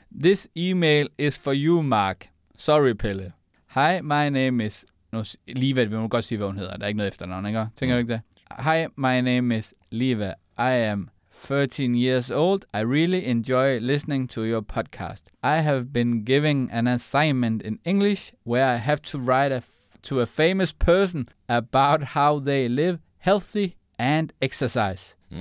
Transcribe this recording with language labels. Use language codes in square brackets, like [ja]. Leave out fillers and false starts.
[en] This email is for you, Mark. Sorry, Pelle. Hi, my name is... [da] Liva, vi må godt sige, hvad hun hedder. Der er ikke noget efternavn, ikke? Tænker du ikke det? [en] Hi, my name is Liva. I am 13 years old. I really enjoy listening to your podcast. I have been given an assignment in English, where I have to write to a famous person about how they live healthy and exercise. Mm.